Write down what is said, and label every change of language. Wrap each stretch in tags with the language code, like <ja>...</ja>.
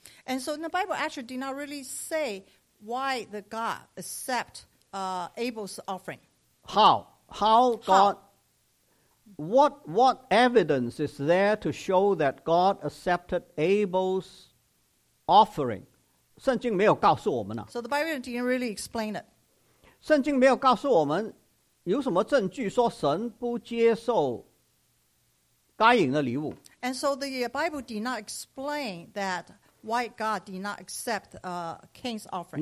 <en>And so the Bible actually did not really say why the God accept Abel's offering. How God, what evidence is there to show that God accepted Abel's offering?</en> <zh>圣经没有告诉我们啊。</zh> <en>So the Bible didn't really explain it.</en> <zh>圣经没有告诉我们有什么证据说神不接受该隐的礼物。</zh> <en>And so the Bible did not explain that why God did not accept Cain's offering.</en>